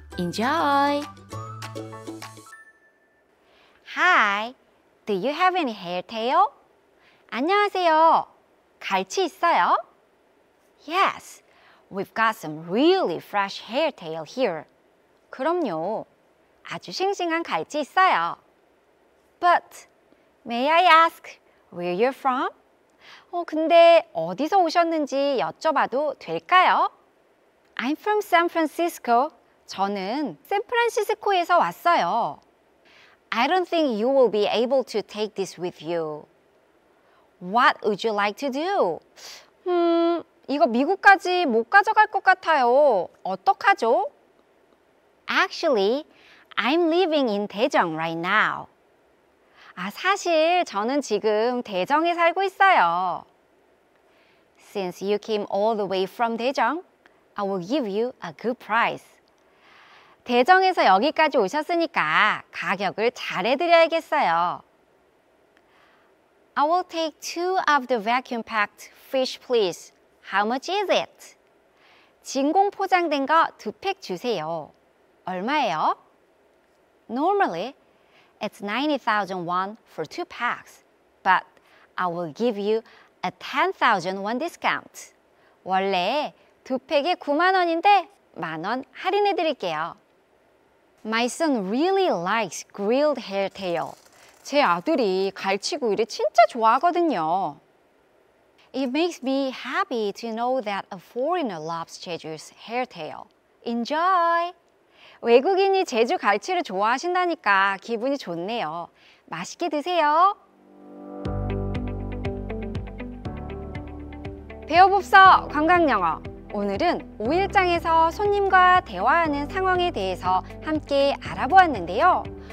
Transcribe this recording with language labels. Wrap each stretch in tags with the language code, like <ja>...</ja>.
<en>Enjoy! Hi, do you have any hair tail?</en> <ko>안녕하세요. 갈치 있어요?</ko> <en>Yes, we've got some really fresh hair tail here.</en> <ko>그럼요. 아주 싱싱한 갈치 있어요.</ko> <en>But, may I ask where you're from?</en> <ko>근데 어디서 오셨는지 여쭤봐도 될까요?</ko> <en>I'm from San Francisco.</en> <ko>저는 샌프란시스코에서 왔어요.</ko> <en>I don't think you will be able to take this with you. What would you like to do?</en> <ko>이거 미국까지 못 가져갈 것 같아요. 어떡하죠?</ko> <en>Actually, I'm living in Daejeon right now.</en> <ko>사실 저는 지금 대정에 살고 있어요.</ko> <en>Since you came all the way from Daejeon, I will give you a good price.</en> <ko>대정에서 여기까지 오셨으니까 가격을 잘해드려야겠어요.</ko> <en>I will take two of the vacuum-packed fish, please. How much is it?</en> <ko>진공 포장된 거 두 팩 주세요. 얼마예요?</ko> <en>Normally, it's 90,000 won for two packs, but I will give you a 10,000 won discount.</en> <ko>원래 두 팩에 9만 원인데 만 원 할인해 드릴게요.</ko> <en>My son really likes grilled hair tail.</en> <ko>제 아들이 갈치구이를 진짜 좋아하거든요.</ko> <en>It makes me happy to know that a foreigner loves Jeju's hair tail. Enjoy!</en> <ko>외국인이 제주 갈치를 좋아하신다니까 기분이 좋네요. 맛있게 드세요. 배워봅서 관광영어. 오늘은 5일장에서 손님과 대화하는 상황에 대해서 함께 알아보았는데요.</ko>